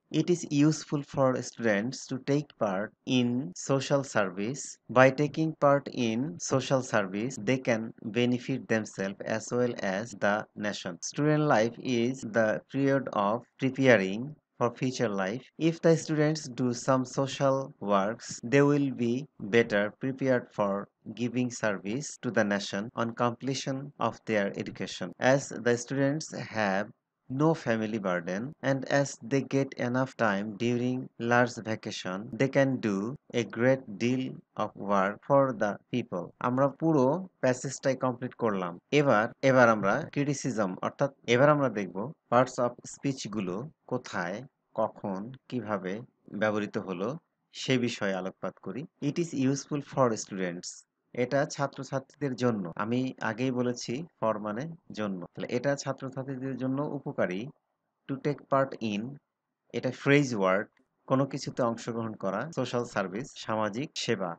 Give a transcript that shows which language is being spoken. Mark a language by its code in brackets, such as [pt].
[en] It is useful for students to take part in social service. By taking part in social service, they can benefit themselves as well as the nation. Student life is the period of preparing for future life. If the students do some social works, they will be better prepared for giving service to the nation on completion of their education. As the students have no family burden and as they get enough time during large vacation, they can do a great deal of work for the people. [bn] Amra puro passage tai complete korlam. Ebar amra criticism, orthat ebar amra dekhbo parts of speech gulo kothay, কখন, কিভাবে ব্যবহৃত হলো সে বিষয়ে আলোকপাত করি। [en] it is useful for students, [bn] এটা ছাত্রছাত্রীদের জন্য। আমি আগেই বলেছি ফর মানে জন্য, তাহলে এটা ছাত্রছাত্রীদের জন্য উপকারী। টু টেক পার্ট ইন, এটা ফ্রেজ ওয়ার্ড, কোনো কিছুতে অংশগ্রহণ করা, সোশ্যাল সার্ভিস, সামাজিক সেবা।